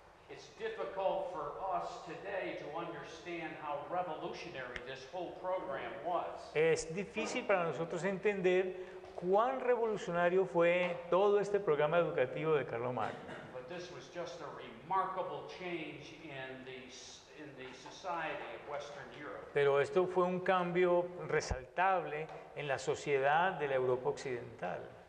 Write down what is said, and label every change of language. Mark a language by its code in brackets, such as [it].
[en] It's difficult for us today to understand how revolutionary this whole program was. [es] Es difícil para nosotros entender cuán revolucionario fue todo este programa educativo de Carlomagno. [en] But this was just a remarkable change in the society of Western Europe. [es] Pero esto fue un cambio resaltable en la sociedad de la Europa Occidental.